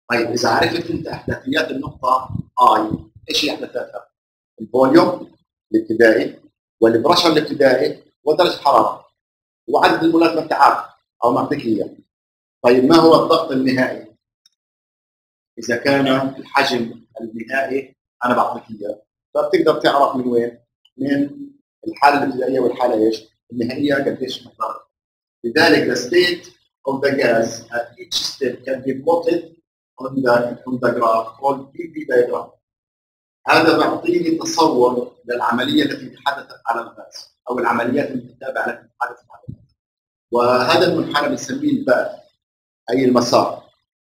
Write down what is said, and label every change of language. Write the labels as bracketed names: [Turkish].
[Arabic] طيب اذا عرفت انت احداثيات النقطه اي ايش هي احداثاتها؟ الفوليوم الابتدائي والبرشر الابتدائي ودرجه الحراره وعدد المولات مرتعاه او معتكيه. طيب ما هو الضغط النهائي؟ اذا كان الحجم النهائي انا بعطيك اياه، فبتقدر تعرف من وين؟ من الحاله الابتدائيه والحاله ايش؟ النهائيه قديش مقدار. [English] لذلك the state of the gas at each step can be plotted on the graph called PV diagram. [Arabic] هذا بيعطيني تصور للعمليه التي حدثت على الغاز او العمليات المتتابعه التي حدثت. وهذا المنحنى بنسميه الباث اي المسار.